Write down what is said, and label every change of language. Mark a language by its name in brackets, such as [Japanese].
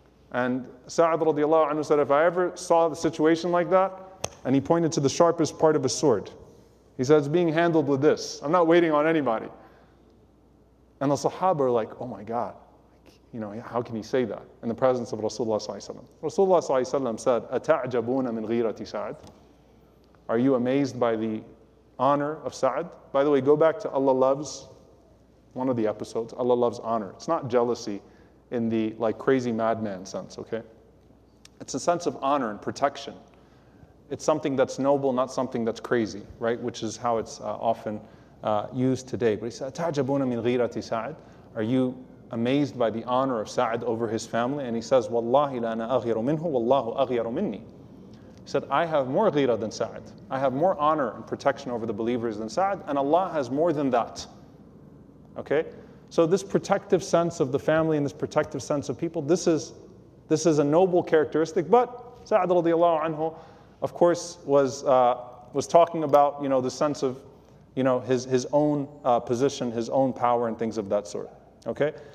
[English] And Sa'd radiallahu anhu said, if I ever saw the situation like that, and he pointed to the sharpest part of a sword. He said, it's being handled with this. I'm not waiting on anybody. And the Sahaba are like, oh my God. You know, how can he say that? In the presence of Rasulullah ﷺ. [Arabic] Rasulullah ﷺ said, أَتَعْجَبُونَ مِنْ غِيرَةِ سَعَدْ. [English] Are you amazed by the honor of Sa'd? By the way, go back to Allah Loves, one of the episodes, Allah Loves honor. It's not jealousy in the like crazy madman sense, okay? It's a sense of honor and protection. It's something that's noble, not something that's crazy, right? Which is how it's often used today. [Arabic] But he said, أَتَعْجَبُونَ مِنْ غِيرَةِ سَعَدْ. [English] Are you amazed by the honor of Sa'd over his family? [Arabic] And he says, وَاللَّهِ لَأَنَا أَغْيَرُ مِنْهُ وَاللَّهُ أَغْيَرُ مِنِّي. [English] He said, I have more ghira than Sa'd. I have more honor and protection over the believers than Sa'd, and Allah has more than that. Okay? So this protective sense of the family and this protective sense of people, this is a noble characteristic, but Sa'd radiallahu anhu, of course, was talking about, you know, the sense of, you know, his own position, his own power and things of that sort. Okay?